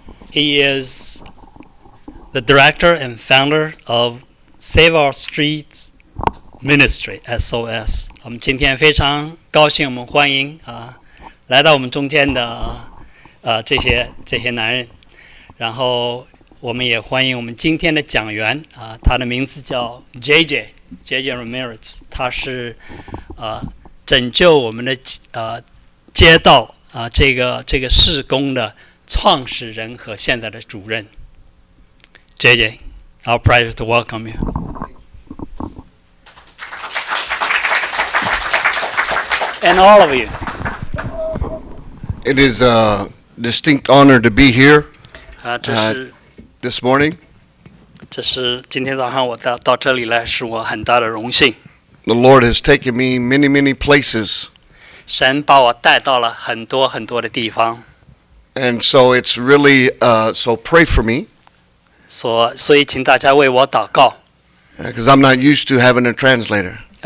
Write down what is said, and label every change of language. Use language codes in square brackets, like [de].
[en] He is the director and founder of Save Our Streets Ministry, SOS. [zh] 我们今天非常高兴，我们欢迎啊，来到我们中间的这些男人。然后我们也欢迎我们今天的讲员啊，他的名字叫 JJ Ramirez， 他是拯救我们的街道啊这个事工的创始人和现在的主任。 [en] JJ, our pleasure to welcome you. And all of you. It is a distinct honor to be here this morning. [zh] 这是今天早上我到这里来是我很大的荣幸。 [en] The Lord has taken me many, many places. [zh] 神把我带到了很多很多的地方。 [en] And so it's really, so pray for me. [zh] So, 请大家为我祷告。 [en] Because I'm not used to having a translator.